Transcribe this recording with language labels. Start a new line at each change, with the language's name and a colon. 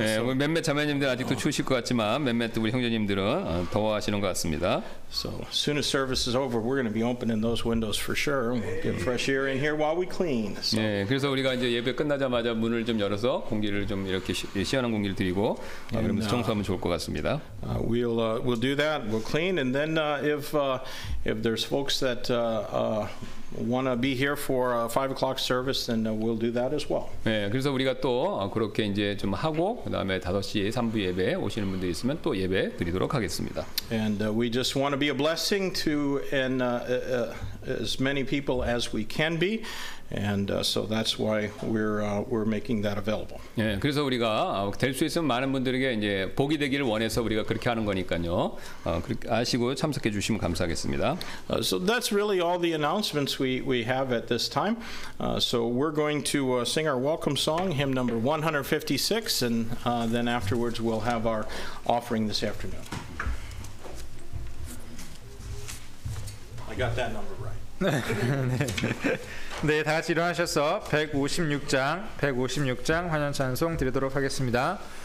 Korean: 예, 우리 몇몇 자매님들 아직도 추우실 것 같지만 몇몇 우리 형제님들은 더워하시는 것 같습니다.
English: So as soon as service is over, we're going to be opening those windows for sure. We'll get fresh air in here while we clean.
Korean: 네, 예, 그래서 우리가 이제 예배 끝나자마자 문을 좀 열어서 공기를 좀 이렇게 시원한 공기를 드리고 그러면서 청소하면 좋을 것 같습니다.
English: We'll do that. We'll clean, and then if there's folks that want to be here for a 5 o'clock service, then we'll do that as well.
Korean: 네, 그래서 우리가 또 그렇게 이제 좀 하고 그다음에 5시 3부 예배 오시는 분들 있으면 또 예배 드리도록 하겠습니다.
English: And we just want to be a blessing to and as many people as we can be, and so that's why we're making that available.
Korean: 예, 그래서 우리가 될 수 있으면 많은 분들에게 이제 복이 되기를 원해서 우리가 그렇게 하는 거니까요. 그렇게 아시고 참석해 주시면 감사하겠습니다.
English: So that's really all the announcements we have at this time. So we're going to sing our welcome song, hymn number 156, and then afterwards we'll have our offering this afternoon. I got that number right.
Korean: 네, 다 같이 일어나셔서 156장 환영 찬송 드리도록 하겠습니다.